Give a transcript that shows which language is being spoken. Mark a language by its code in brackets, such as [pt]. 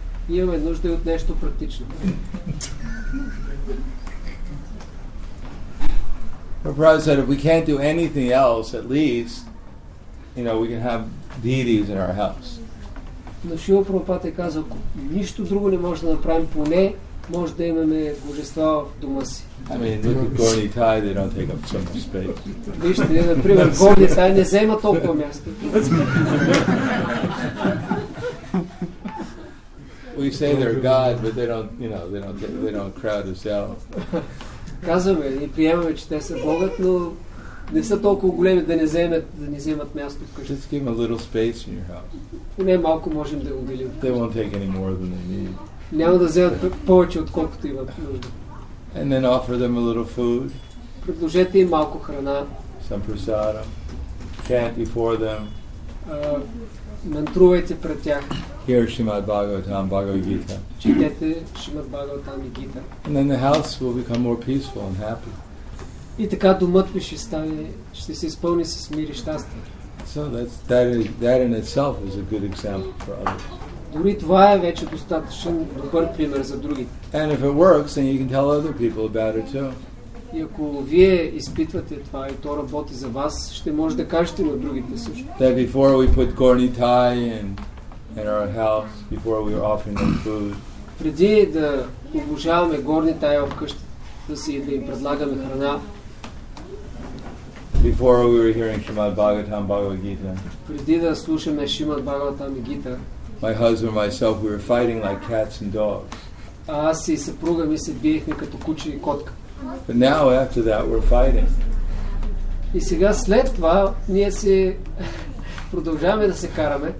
[bg] Имаме нужда и от нещо практично. [en] Прабхупада said, if we can't do anything else, at least, you know, we can have deities in our house. [bg] Но Шрила Прабхупада е казал, ако нищо друго не може да направим, поне може да имаме божества в дома си. Вижте, например, горни тай не взема толкова място. [en] We say they're God, but they don't crowd us out. [bg] Казваме и приемаме, че те са Богът, но не са толкова големи да не вземат място вкъщи. [en] Just give them a little space in your house. [bg] Не малко можем да го делим. [en] They won't take any more than they need. [bg] Няма да вземат повече отколкото имат. [en] And then offer them a little food. [bg] Предложете им малко храна. [en] Some prasada. Chant before them. [bg] Мантрувайте пред тях. [en] Hear Srimad Bhagavatam, Bhagavad Gita. [bg] Читайте Srimad Bhagavatam и Gita. [en] And then the house will become more peaceful and happy. [bg] И така домът ви ще се изпълни с мир и щастие. [en] So that in itself is a good example for others. [bg] Дори това е вече достатъчен добър пример за другите. [en] And if it works, then you can tell other people about it too. [bg] И ако вие изпитвате това и то работи за вас, ще може да кажете на другите също. [en] That before we put corny thai in our house, before we were offering them food. [bg] Преди да обожаваме горни тай в къщата, да си да им предлагаме храна. [en] Before we were hearing Shrimad Bhagavatam, Bhagavad Gita. [bg] Преди да слушаме Шримад Бхагаватам и Гита. [en] My husband and myself, we were fighting like cats and dogs. [bg] Аз и съпруга ми се биехме като куче и котка. [en] But now after that we're fighting. [bg] И сега след това ние се продължаваме да се караме.